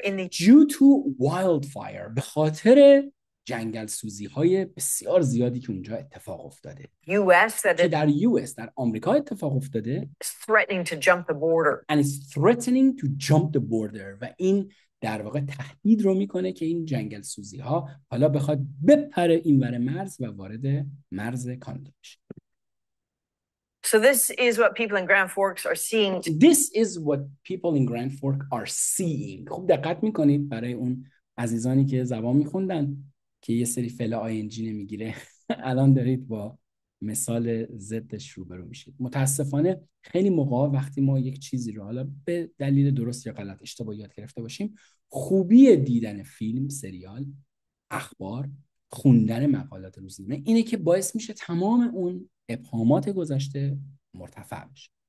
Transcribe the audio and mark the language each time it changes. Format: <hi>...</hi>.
<en>Due to wildfire</en> <fa>به خاطر جنگل سوزی های بسیار زیادی که اونجا اتفاق افتاده که در US در آمریکا اتفاق افتاده</fa> <en>and it's threatening to jump the border</en> <fa>و این در واقع تهدید رو میکنه که این جنگل سوزی ها حالا بخواد بپره این ور مرز و وارد مرز کانادا بشه.</fa> <en>So this is what people in Grand Forks are seeing. This is what people in Grand Fork are seeing.</en> <fa>خوب دقت میکنید برای اون عزیزانی که زبان میخوندن که یه سری فعل ING نمیگیره. الان دارید با مثال ضدش روبرو میشید. متاسفانه خیلی موقع وقتی ما یک چیزی رو حالا به دلیل درست یا غلط اشتباه یاد گرفته باشیم، خوبی دیدن فیلم، سریال، اخبار، خوندن مقالات روزنامه اینه که باعث میشه تمام اون ابهامات گذشته مرتفع بشه.</fa>